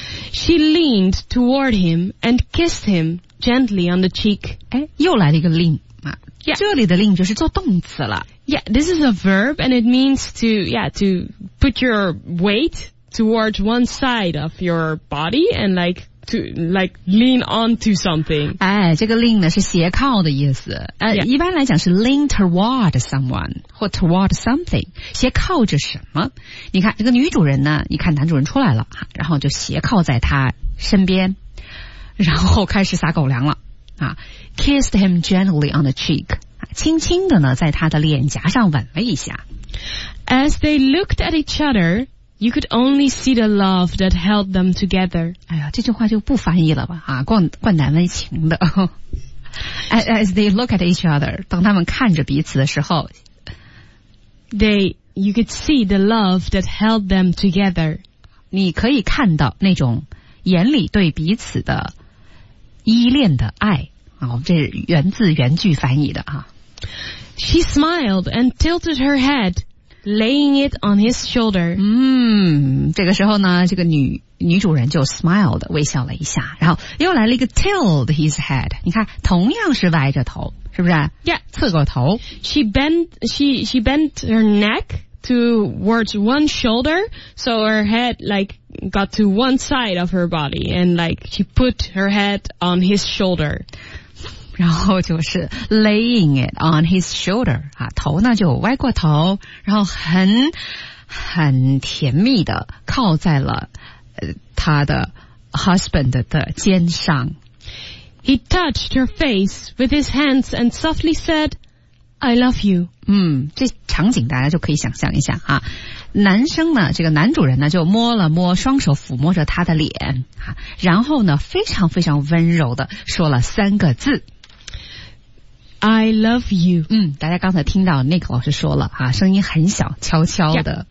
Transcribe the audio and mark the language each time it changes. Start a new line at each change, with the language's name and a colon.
English: She leaned toward him and kissed him gently on the cheek.
Chinese: 哎，又来了一个 lean 啊。
English: Yeah.
Chinese: 这里的 lean 就是做动词了。
English: Yeah, this is a verb and it means to put your weight towards one side of your body and like lean onto something.
Chinese: 哎，这个 lean 呢是斜靠的意思。一般来讲是
English: lean toward someone
Chinese: 或
English: toward something,
Chinese: 斜靠着什么。你看这个女主人呢，你看男主人出来了，然后就斜靠在他身边，然后开始撒狗粮了啊。
English: Kissed him gently on the cheek,
Chinese: 轻轻的呢在他的脸颊上吻了一下。
English: As they looked at each other,You could only see the love that held them together.
Chinese: 哎呀，这句话就不翻译了吧，啊，怪难为情的。
English: As they look at each other,
Chinese: 当他们看着彼此的时候
English: you could see the love that held them together.
Chinese: 你可以看到那种眼里对彼此的依恋的爱。啊，我们这是原字原句翻译的啊。
English: She smiled and tilted her head. Laying it on his shoulder.
Chinese: 嗯，这个时候呢，这个女主人就 smiled, 微笑了一下，然后又来了一个
English: tilt his head.
Chinese: 你看，同样是歪着头，是不是？
English: Yeah,
Chinese: 侧过头。
English: She bent her neck towards one shoulder, so her head like got to one side of her body, and like she put her head on his shoulder.
Chinese: 然后就是
English: laying it on his shoulder,
Chinese: 啊头呢就歪过头，然后很甜蜜的靠在了他的 husband 的肩上。
English: He touched her face with his hands and softly said, I love you.
Chinese: 这场景大家就可以想象一下啊。男生呢，这个男主人呢就摸了摸，双手抚摸着他的脸啊，然后呢非常非常温柔的说了三个字。
English: I love you.
Chinese: 大家刚才听到 Nick 老师说了啊，声音很小，悄悄的。